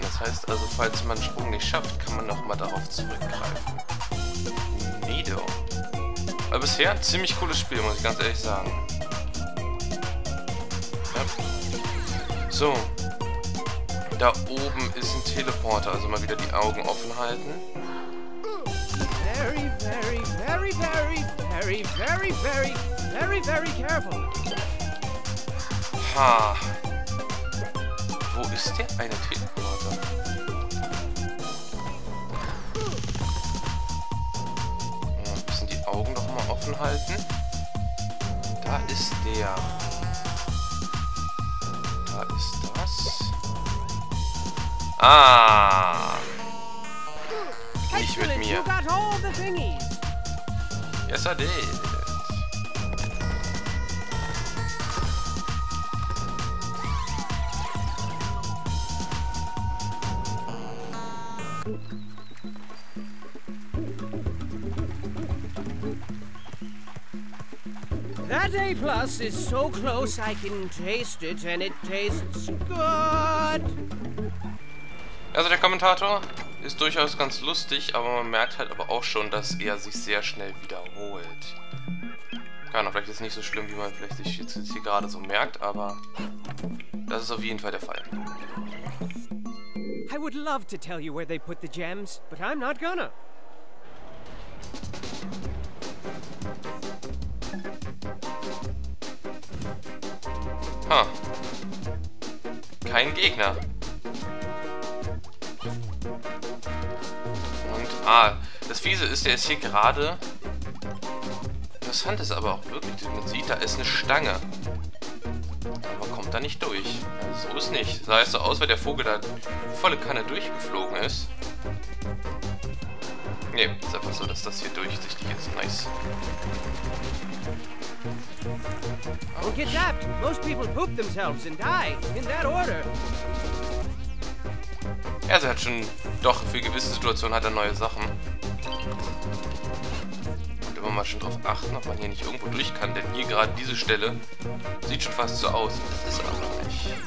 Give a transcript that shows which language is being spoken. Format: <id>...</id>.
<de>Das heißt also, falls man einen Sprung nicht schafft, kann man nochmal darauf zurückgreifen. Nido. Aber bisher ein ziemlich cooles Spiel, muss ich ganz ehrlich sagen. So, da oben ist ein Teleporter, also mal wieder die Augen offen halten.</de> <en>Very, very, very, very, very, very, very, very, very careful. Ha.</en> <de>Wo ist der eine Teleporter? Ein bisschen die Augen noch mal offen halten. Da ist der. Ist das? Ah! Nicht mit mir.</de> <en>You got all the thingies. Yes, I did. That A-plus is so close I can taste it, and it tastes good!</en> <de>Also der Kommentator ist durchaus ganz lustig, aber man merkt halt aber auch schon, dass er sich sehr schnell wiederholt. Keine Ahnung, vielleicht ist es nicht so schlimm, wie man vielleicht sich jetzt hier gerade so merkt, aber das ist auf jeden Fall der Fall.</de> <en>I would love to tell you where they put the gems, but I'm not gonna.</en> <de>Ha. Huh. Kein Gegner. Und, ah, das Fiese ist, der ist hier gerade. Interessant ist aber auch wirklich, man sieht, da ist eine Stange. Aber kommt da nicht durch. So ist nicht. Sah es so aus, weil der Vogel da volle Kanne durchgeflogen ist. Ne, ist einfach so, dass das hier durchsichtig ist.</de> <en>Nice. Don't get zapped. Most people poop themselves and die in that order.</en> <de>Ja, sie hat schon doch für gewisse Situationen hat er neue Sachen. Und immer mal schon drauf achten, ob man hier nicht irgendwo durch kann, denn hier gerade diese Stelle sieht schon fast so aus. Das ist aber nicht.</de>